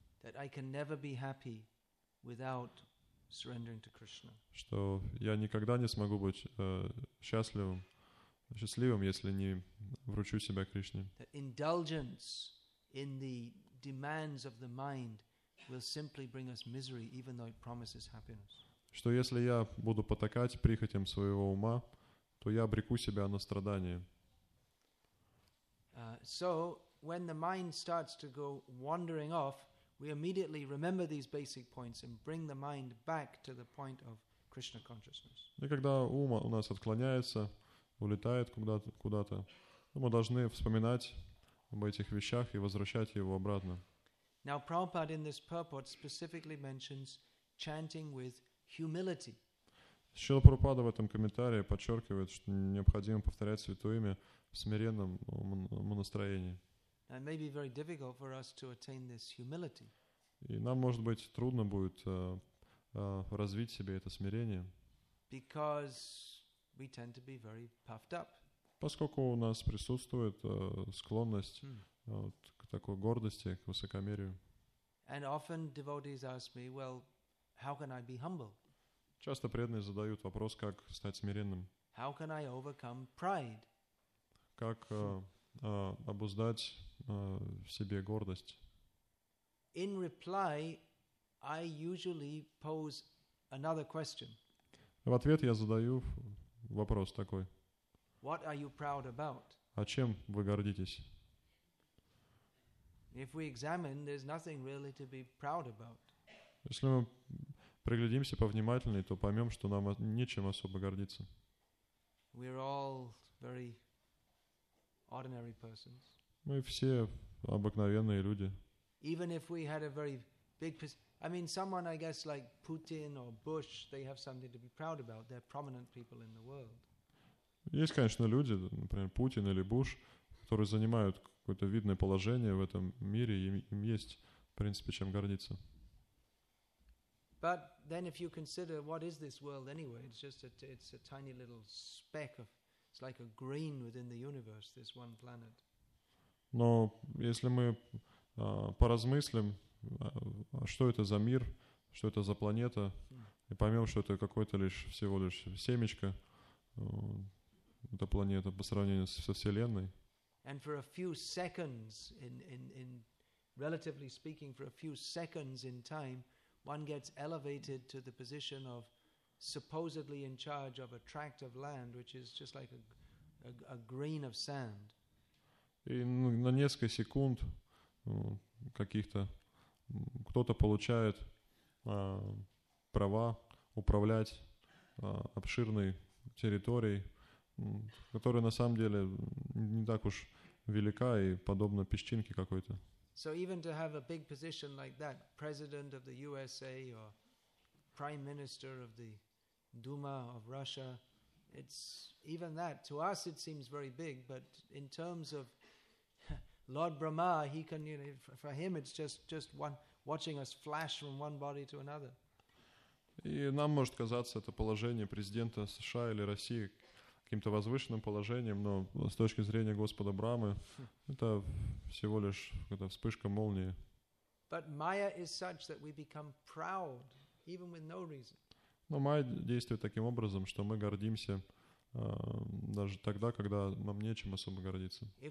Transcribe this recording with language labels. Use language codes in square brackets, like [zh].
[en] That I can never be happy without surrendering to Krishna. [ru] Что я никогда не смогу быть счастливым, если не вручу себя Кришне. [en] That indulgence in the demands of the mind will simply bring us misery, even though it promises happiness. [ru] Что если я буду потакать прихотям своего ума, то я обреку себя на страдания. [en] So when the mind starts to go wandering off, we immediately remember these basic points and bring the mind back to the point of Krishna consciousness. [ru] И когда ум у нас отклоняется, улетает куда-то, мы должны вспоминать об этих вещах и возвращать его обратно. [en] Now, Prabhupada in this purport specifically mentions chanting with humility. [ru] Шрила Прабхупада в этом комментарии подчеркивает, что необходимо повторять святое имя в смиренном настроении. [en] It may be very difficult for us to attain this humility. [ru] И нам, может быть, трудно будет развить в себе это смирение. [en] Because we tend to be very puffed up. [ru] Поскольку у нас присутствует склонность к такой гордости, к высокомерию. [en] And often devotees ask me, well, how can I be humble? [ru] Часто преданные задают вопрос, как стать смиренным. [en] How can I overcome pride? [ru] Как обуздать в себе гордость. [en] In reply, I usually pose another question. [ru] В ответ я задаю вопрос такой. [en] What are you proud about? [ru] О чем вы гордитесь? [en] If we examine, there's nothing really to be proud about. [ru] Если мы приглядимся повнимательнее, то поймем, что нам нечем особо гордиться. [en] We're all very ordinary persons. [ru] Мы все обыкновенные люди. [en] Even if we had a very big I mean someone I guess like Putin or Bush, they have something to be proud about. They're prominent people in the world. [ru] Есть, конечно, люди, например, Путин или Буш, которые занимают какое-то видное положение в этом мире, и им есть, в принципе, чем гордиться. [en] But then if you consider what is this world anyway, it's just it's a tiny little speck of it's like a grain within the universe, this one planet. [ru] Но если мы поразмыслим, что это за мир, что это за планета, и поймем, что это какое-то лишь всего лишь семечко, эта планета по сравнению со Вселенной. [en] And for a few seconds, in relatively speaking, for a few seconds in time, one gets elevated to the position of supposedly in charge of a tract of land, which is just like a grain of sand. [ru] И на несколько секунд каких-то кто-то получает права управлять обширной территорией, которая на самом деле не так уж велика и подобна песчинке какой-то. [en] So even to have a big position like that, president of the USA or prime minister of the Duma of Russia, it's even that to us it seems very big, but in terms of Lord Brahma, he can, you know, for him it's just one watching us flash from one body to another. [ru] И нам может казаться это положение президента США или России каким-то возвышенным положением, но с точки зрения Господа Брамы это всего лишь какая-то вспышка молнии. [en] But Maya is such that we become proud even with no reason. [ru] Но Майя действует таким образом, что мы гордимся даже тогда, когда нам нечем особо гордиться.